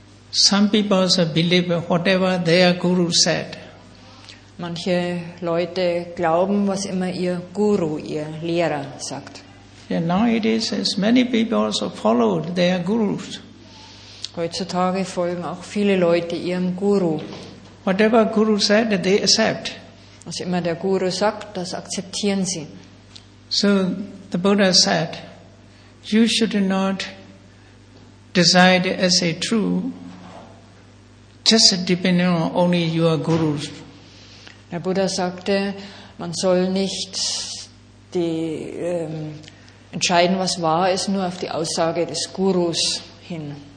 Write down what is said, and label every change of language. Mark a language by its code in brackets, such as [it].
[en] Some people believe whatever their guru said. [de] Manche Leute glauben, was immer ihr Guru, ihr Lehrer sagt. [en] And nowadays, as many people also followed their gurus. [de] Heutzutage folgen auch viele Leute ihrem Guru. [en] Whatever guru said, they accept. [de] Was immer der Guru sagt, das akzeptieren sie. [en] So the Buddha said, you should not decide as a true, just depending on only your gurus. [de] Der Buddha sagte, man soll nicht die entscheiden, was wahr ist, nur auf die Aussage des Gurus hin.